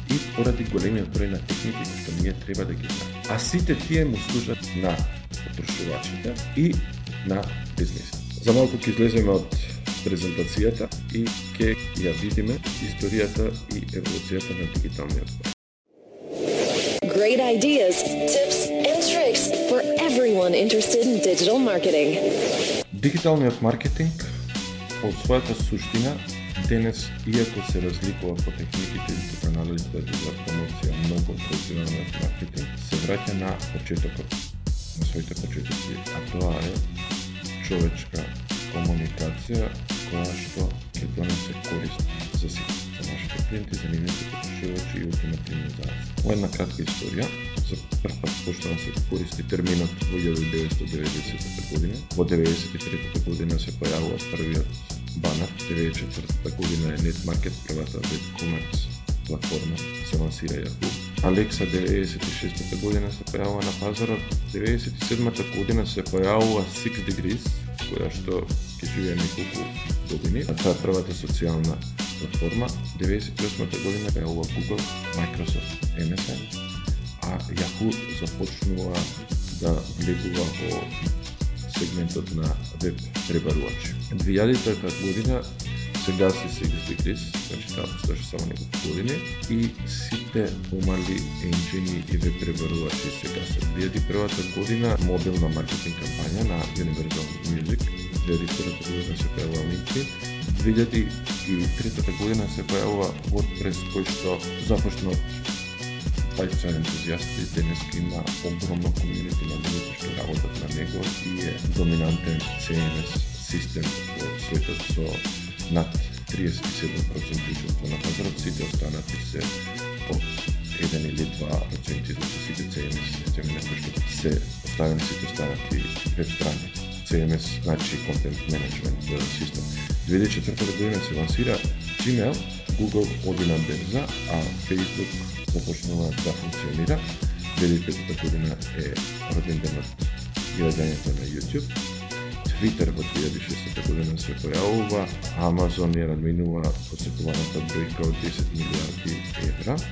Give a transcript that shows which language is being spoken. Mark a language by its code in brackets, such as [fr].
[mk] И поради големиот број на техники кои што ние треба да ги знаеме. А сите тие му служат на потрошувачите и на бизнесите. За малку ќе излеземе од презентацијата и ќе ја видиме историјата и еволуцијата на дигиталниот пазар. [en] Great ideas, tips and tricks for everyone interested in digital marketing. [mk] Дигиталниот маркетинг по својата суштина денес иако се разликува по техниките и каналите за промоција многу од традиционалниот маркетинг, се враќа на почетокот, на своите почетоци, а тоа е човечка комуникација која што ќе донесе корист за сите, за нашите клиенти, за нивните потрошувачи и ултимативно за нас. Ова е една кратка историја. За прв пат почнува се користи терминот во 1990 година. Во 1993 година се појавува првиот банер. 1994 година е NetMarket, првата WebCommerce платформа се лансира Yahoo. Alexa 1996 година се појавува на пазарот. 1997 година се појавува 6degrees, која што ќе живее неколку години. Таа е првата социјална платформа. 1998 година појавува Google, Microsoft, MSN. А Yahoo започнува да влегува во сегментот на веб пребарувачи. 2000 година се гаси 6degrees, значи таа постоеше само неколку години, и сите помали енджини и веб пребарувачи се гасат. 2001 година мобилна маркетинг кампања на Universal Music, 2003 година се појавува LinkedIn, 2003 година се појавува WordPress, кој што започна Python ентузијаст и денес има огромна комјунити на луѓето што работат на него и е доминантен CMS систем во светот со над 37% учество на пазарот, сите останати се од 1 или 2%, значи сите CMS системи на кои што се оставени сите останати веб страни. CMS значи Content Management System. 2004 година се лансира Gmail, Google оди на берза, а Facebook започнува да функционира. 2005 година е роден денот и раѓањето на YouTube. Twitter во 2006 година се појавува. Amazon ја надминува посетуваната бројка од 10 милиарди евра.